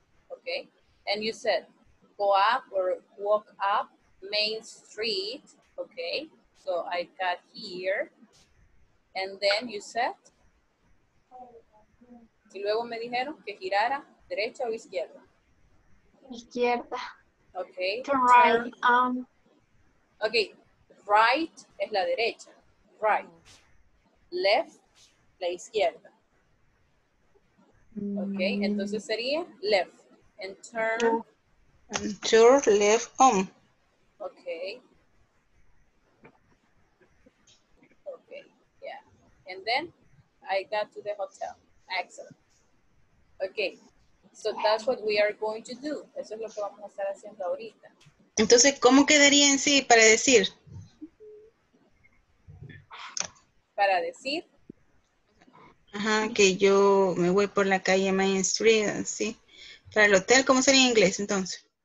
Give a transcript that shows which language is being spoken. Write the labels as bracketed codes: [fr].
[en] Okay, and you said go up or walk up Main Street. Okay, so I got here, and then you said. [es] Y luego me dijeron que girara derecha o izquierda. Izquierda. [en] Okay. Turn. Okay, right [es] es la derecha. [en] Right. [es] Left, la izquierda. Okay, entonces sería left. [en] And turn left on. Okay, yeah. And then I got to the hotel. Excellent. Okay, so that's what we are going to do. [es] Eso es lo que vamos a estar haciendo ahorita. Entonces, ¿cómo quedaría en sí para decir? Para decir. Ajá, que yo me voy por la calle Main Street, ¿sí? Para el hotel, ¿cómo sería en inglés, entonces?